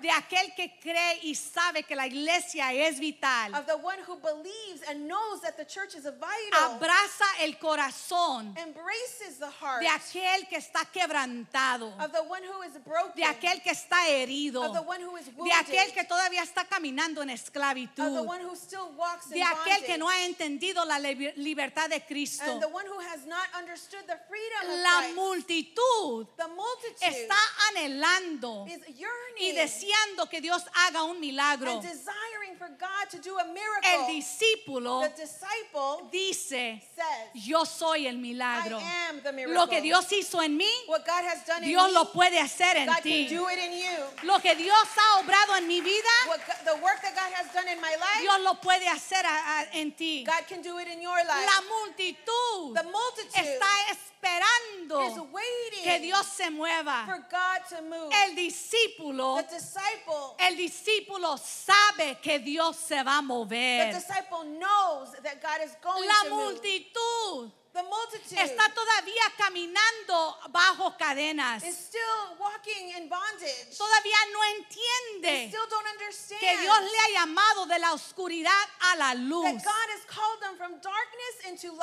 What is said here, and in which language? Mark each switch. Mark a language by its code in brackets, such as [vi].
[es] de aquel que cree y sabe que la iglesia es vital, [en] of the one who believes and knows that the church is vital, [es] abraza el corazón, [en] embraces the heart, [es] de aquel que está quebrantado, [en] of the one who is broken, [es] de aquel que está herido, [en] of the one who is wounded, [es] de aquel que todavía está caminando en esclavitud, [en] of the one who still walks in [es] de aquel [en] bondage, [es] que no ha entendido la libertad de Cristo. [en] And the one who has not understood the freedom of [es] la [en] Christ. [es] Multitud, [en] the multitude [es] está anhelando, [en] is yearning, [es] y deseando que Dios haga un milagro, [en] and desiring for God to do a miracle. [es] El discípulo, [en] the disciple, [es] dice, [en] says, [es] yo soy el milagro. [en] I am the miracle. [es] Lo que Dios hizo en mí, [en] what God has done [es] Dios [en] in me, [es] lo puede hacer en [en] God [es] ti. [en] Can do it in you. [es] Lo que Dios ha obrado en mi vida, [en] what the work that God has done in my life, [es] Dios lo puede hacer en ti. [en] God can do it in your life. [es] La multitud, [en] the multitude [es] está esperando, [en] is waiting, [es] que Dios se mueva, [en] for God to move. [es] El discípulo, [en] the disciple, [es] el discípulo sabe que Dios se va a mover. [en] The disciple knows that God is going [es] la [en] to [es] multitud, [en] move. The multitude [es] está todavía caminando bajo cadenas. [en] Is still walking in bondage. [es] Todavía no entiende. [en] They still don't understand. [es] Que Dios le ha llamado de la oscuridad a la luz. [en] That God has called them from darkness into light.